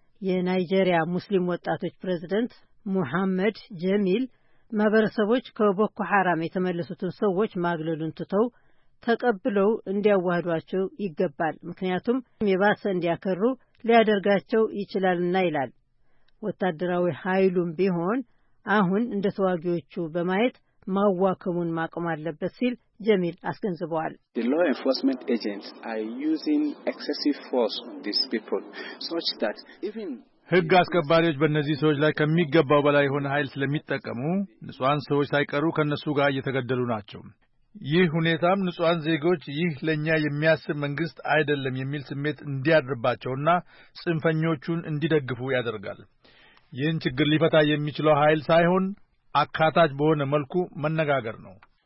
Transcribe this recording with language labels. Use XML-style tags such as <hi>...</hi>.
<am>የናይጄሪያ ሙስሊም ወጣቶች ፕሬዝደንት ሙሐመድ ጀሚል ማህበረሰቦች ከቦኮ ሐራም የተመለሱትን ሰዎች ማግለሉን ትተው ተቀብለው እንዲያዋህዷቸው ይገባል፣ ምክንያቱም የባሰ እንዲያከሩ ሊያደርጋቸው ይችላልና ይላል። ወታደራዊ ኃይሉም ቢሆን አሁን እንደ ተዋጊዎቹ በማየት ማዋከሙን ማቆም አለበት ሲል ጀሚል አስገንዝበዋል።</am> <en>The law enforcement agents are using excessive force on these people such that even</en> <am>ህግ አስከባሪዎች በእነዚህ ሰዎች ላይ ከሚገባው በላይ የሆነ ኃይል ስለሚጠቀሙ ንጹሃን ሰዎች ሳይቀሩ ከነሱ ጋር እየተገደሉ ናቸው። ይህ ሁኔታም ንጹሃን ዜጎች ይህ ለኛ የሚያስብ መንግስት አይደለም የሚል ስሜት እንዲያድርባቸውና ጽንፈኞቹን እንዲደግፉ ያደርጋል። ይህን ችግር ሊፈታ የሚችለው ኃይል ሳይሆን አካታች በሆነ መልኩ መነጋገር ነው።</am>